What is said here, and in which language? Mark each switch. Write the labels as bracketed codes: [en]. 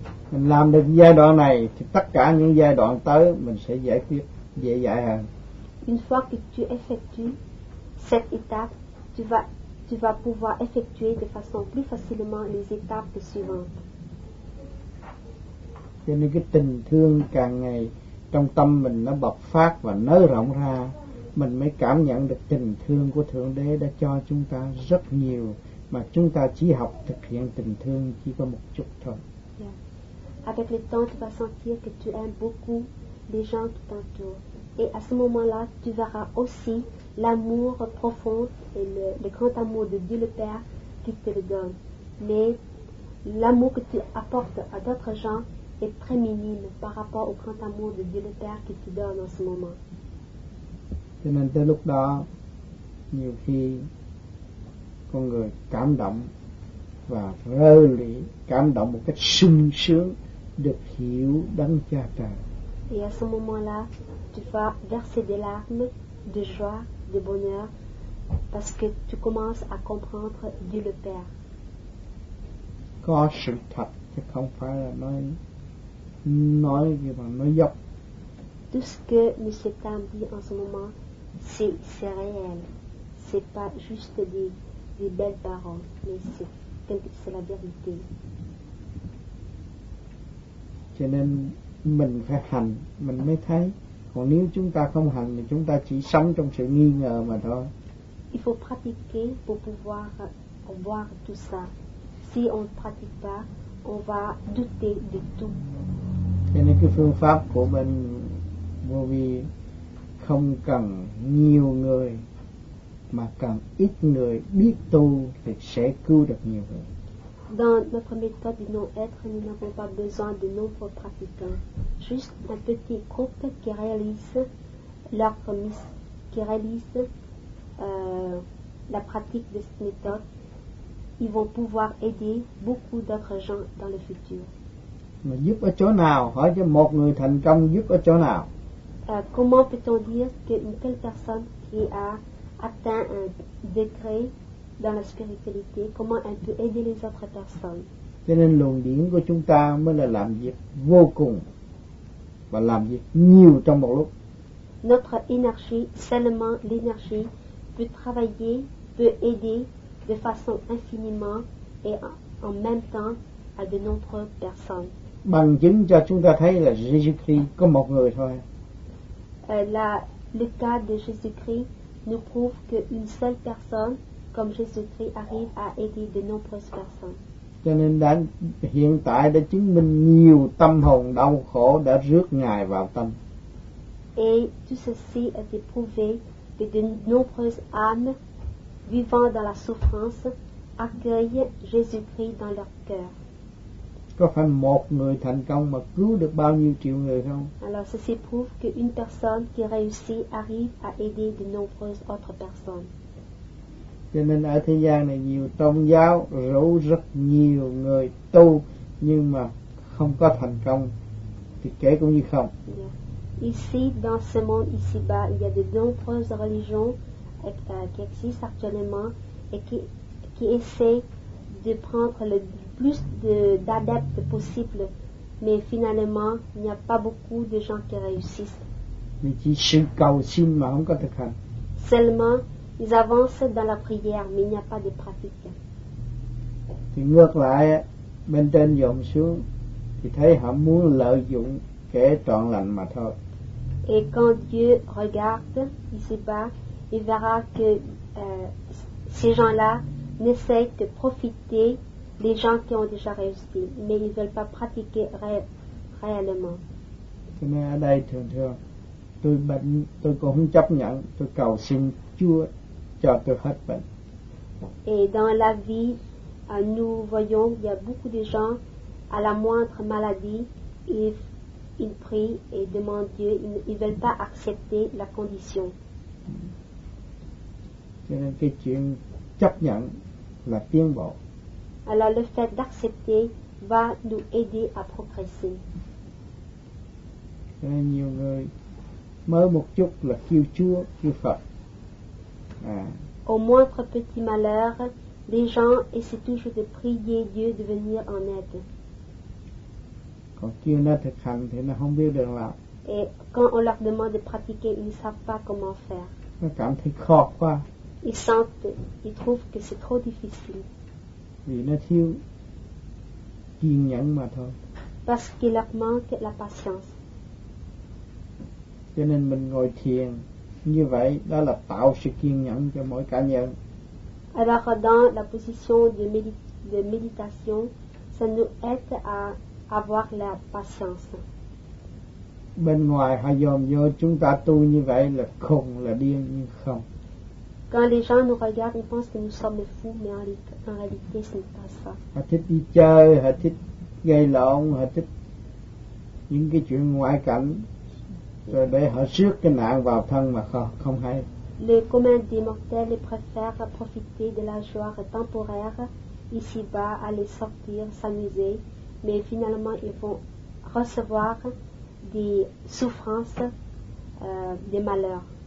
[vi] Mình làm được giai đoạn này thì tất cả những giai đoạn tới mình sẽ giải quyết dễ dàng hơn. [fr] Une fois que tu effectues cette étape, tu vas pouvoir effectuer de façon plus facilement les étapes suivantes. [vi] Cho nên cái tình thương càng ngày trong tâm mình nó bộc phát và nới rộng ra, mình mới cảm nhận được tình thương của Thượng Đế đã cho chúng ta rất nhiều, mà chúng ta chỉ học thực hiện tình thương chỉ có một chút thôi. Yeah. [fr] Avec le temps, tu vas sentir que tu aimes beaucoup les gens tout autour. Et à ce moment-là, tu verras aussi l'amour profond et le grand amour de Dieu le Père qui te le donne. Mais l'amour que tu apportes à d'autres gens est très minime par rapport au grand amour de Dieu le Père qui te donne en ce moment. [vi] Cho nên tới lúc đó, nhiều khi con người cảm động và rơi lệ, cảm động một cách sung sướng được hiểu đấng Cha Trời. [fr] Et à ce moment-là, tu vas verser des larmes de joie, de bonheur, parce que tu commences à comprendre Dieu le Père. [vi] có sự thật chứ không phải là nói gì mà nói dốc. [fr] Tout ce que M. Tam dit en ce moment, c'est réel. C'est pas juste des belles paroles, mais c'est la vérité. [vi] Cho nên mình phải hành, mình mới thấy. Còn nếu chúng ta không hành thì chúng ta chỉ sống trong sự nghi ngờ mà thôi. [fr] Il faut pratiquer pour pouvoir voir tout ça. Si on ne pratique pas, on va douter de tout. [vi] Cho nên cái phương pháp của mình vô vi không cần nhiều người mà cần ít người biết tu thì sẽ cứu được nhiều người. [fr] Dans notre méthode du non-être, nous n'avons pas besoin de nombreux pratiquants. Juste un petit groupe qui réalise la pratique de cette méthode, ils vont pouvoir aider beaucoup d'autres gens dans le futur. [vi] Mais giúp ở chỗ nào? Hỏi cho một người thành công giúp ở chỗ nào? [fr] Comment peut-on dire qu'une telle personne qui a atteint un degré dans la spiritualité, comment elle peut aider les autres personnes? [vi] Cho nên luồng điển của chúng ta mới là làm việc vô cùng và làm việc nhiều trong một lúc. [fr] Notre énergie, seulement l'énergie, peut travailler, peut aider de façon infiniment et en même temps à de nombreuses personnes. [vi] Bằng chứng cho chúng ta thấy là Jésus-Christ có một người thôi. [fr] Le cas de Jésus-Christ nous prouve qu'une seule personne comme Jésus-Christ arrive à aider de nombreuses personnes. [vi] Cho nên đã, hiện tại đã chứng minh nhiều tâm hồn đau khổ đã rước Ngài vào tâm. [fr] Et tout ceci a été prouvé que de nombreuses âmes vivant dans la souffrance accueillent Jésus-Christ dans leur cœur. [vi] Có phải một người thành công mà cứu được bao nhiêu triệu người không? [fr] Alors, ceci prouve qu'une personne qui réussit arrive à aider de nombreuses autres personnes. [vi] Cho nên ở thế gian này nhiều tôn giáo rủ rất nhiều người tu nhưng mà không có thành công thì kể cũng như không. Yeah. [fr] Ici, dans ce monde ici-bas, il y a de nombreuses religions qui existent actuellement et qui essaient de prendre le plus d'adeptes possible, mais finalement il n'y a pas beaucoup de gens qui réussissent. [vi] Mais chỉ sự cầu xin mà không có thực hành. [fr] Seulement ils avancent dans la prière mais il n'y a pas de pratique. [vi] Thì ngược lại bên trên dòng xuống thì thấy họ muốn lợi dụng kẻ trọn lành mà thôi. [fr] Et quand Dieu regarde ici-bas, il verra que ces gens-là n'essayent que profiter les gens qui ont déjà réussi, mais ils ne veulent pas pratiquer réellement. [vi] Cho nên ở đây thường thường, tôi bệnh, tôi cũng không chấp nhận, tôi cầu xin Chúa cho tôi hết bệnh. [fr] Et dans la vie, nous voyons, il y a beaucoup de gens, à la moindre maladie, ils prient et demandent Dieu, ils ne veulent pas accepter la condition. [vi] Cho nên cái chuyện chấp nhận là tiến bộ. [fr] Alors le fait d'accepter va nous aider à progresser. [vi] Nhiều người mới một chút là kêu Chúa, kêu Phật. [fr] Au moindre petit malheur, les gens essaient toujours de prier Dieu de venir en aide. [vi] Còn kêu nó thực hành thì nó không biết đường nào. [fr] Et quand on leur demande de pratiquer, ils ne savent pas comment faire. [vi] Nó cảm thấy khó quá. [fr] Ils sentent, ils trouvent que c'est trop difficile. [vi] Vì nó thiếu kiên nhẫn mà thôi. [fr] Parce qu'il leur manque la patience. [vi] Cho nên mình ngồi thiền như vậy, đó là tạo sự kiên nhẫn cho mỗi cá nhân. [fr] Alors dans la position de méditation, ça nous aide à avoir la patience. [vi] Bên ngoài họ dòm vô chúng ta tu như vậy là khùng, là điên, nhưng không. [fr] Quand les gens nous regardent, ils pensent que nous sommes fous, mais en réalité, ce n'est pas ça. [vi] Họ thích đi chơi, họ thích gây lộn, họ thích những cái chuyện ngoại cảnh, rồi để họ rước cái nạn vào thân mà không hay. [fr] Le commun des mortels préfère profiter de la joie temporaire ici-bas, aller sortir, s'amuser, mais finalement, ils vont recevoir des souffrances, des malheurs.